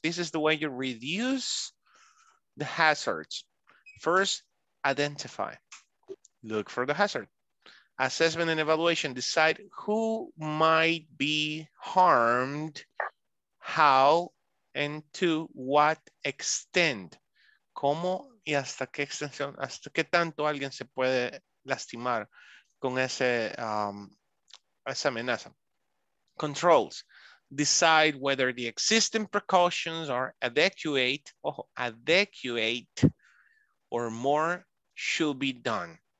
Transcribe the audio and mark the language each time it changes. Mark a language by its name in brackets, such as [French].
[English] This is the way you reduce the hazards. First, identify. Look for the hazard. Assessment and evaluation. Decide who might be harmed, how, and to what extent. [Spanish] ¿Cómo y hasta qué extensión, hasta qué tanto alguien se puede lastimar con ese, esa amenaza? [English] Controls. Decide whether the existing precautions are adequate, adequate or more should be done.